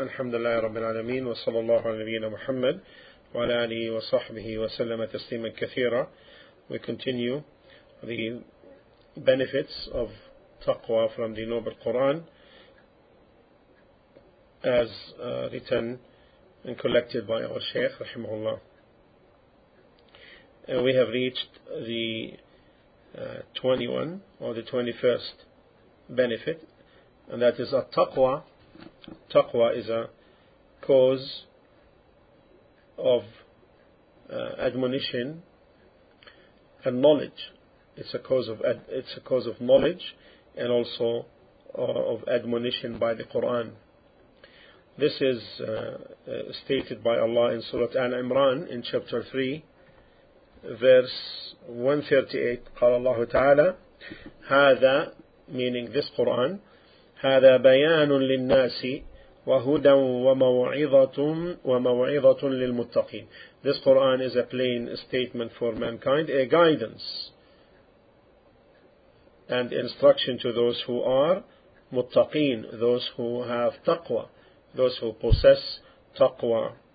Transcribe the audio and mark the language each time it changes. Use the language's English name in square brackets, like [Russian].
[Arabic] الحمد لله رب العالمين، وصلى الله على نبينا محمد وعلى آله وصحبه وسلم تسليما كثيرا. [English] We continue the benefits of taqwa from the noble Quran as written and collected by our Shaykh [Arabic] رحمه الله. [English] We have reached the 21 or the 21st benefit, and that is at-taqwa. Taqwa is a cause of admonition and knowledge. It's a cause of knowledge and also of admonition by the Quran. This is stated by Allah in Surah Al-Imran in chapter 3, verse 138. [Arabic] قال الله تعالى هذا, [English] meaning this Quran, [Arabic] هذا بيان للناس وهدى وموعظة وموعظة للمتقين. [English] This Quran is a plain statement for mankind, a guidance and instruction to those who are muttaqin, those who have taqwa, those who possess taqwa.